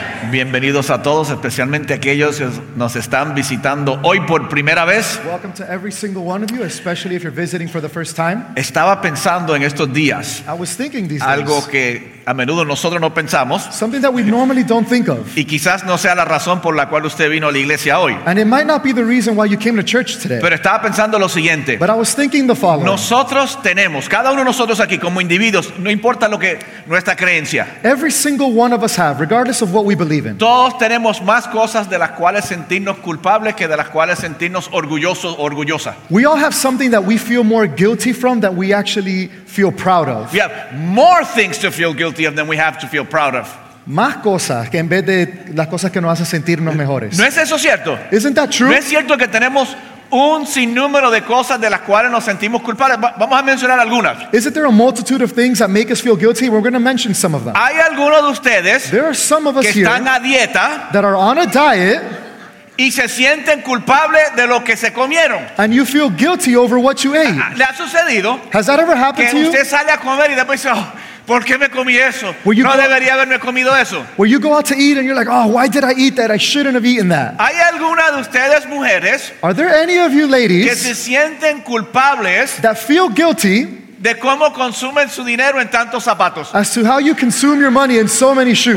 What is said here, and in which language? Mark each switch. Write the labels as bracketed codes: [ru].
[es] Bienvenidos a todos, especialmente a aquellos que nos están visitando hoy por primera vez. [en] Welcome to every single one of you, especially if you're visiting for the first time. [es] Estaba pensando en estos días. [en] I was thinking these [es] algo [en] days. [es] Que a menudo nosotros no pensamos. [en] Something that we normally don't think of. [es] Y quizás no sea la razón por la cual usted vino a la iglesia hoy. [en] And it might not be the reason why you came to church today. [es] Pero estaba pensando lo siguiente. [en] But I was thinking the following. [es] Nosotros tenemos, cada uno de nosotros aquí como individuos, no importa lo que nuestra creencia. [en] Every single one of us have, regardless of what we believe. [es] Todos tenemos más cosas de las cuales sentirnos culpables que de las cuales sentirnos orgullosos o orgullosas. [en] We all have something that we feel more guilty from that we actually feel proud of. We have more things to feel guilty of than we have to feel proud of. [es] Más cosas que en vez de las cosas que nos hacen sentirnos mejores. ¿No es eso cierto? [en] Isn't that true? [es] ¿No es cierto que tenemos un sinnúmero de cosas de las cuales nos sentimos culpables? Vamos a mencionar algunas. [en] Isn't there a multitude of things that make us feel guilty? We're going to mention some of them. [es] Hay algunos de ustedes [en] there are some of us [es] que están a dieta [en] that are on a diet [es] y se sienten culpables de lo que se comieron. [en] And you feel guilty over what you ate. [es] ¿Le ha sucedido? [en] Has that ever happened to you? [es] Que usted sale a comer y después dice, oh, ¿por qué me comí eso? No debería haberme comido eso. [en] Where you go out to eat and you're like, oh, why did I eat that? I shouldn't have eaten that. [es] ¿Hay alguna de ustedes mujeres? [en] Are there any of you ladies [es] que se sienten culpables? [en] That feel guilty [es] de cómo consumen su dinero en tantos zapatos. [en] As to how you consume your money in so many shoes.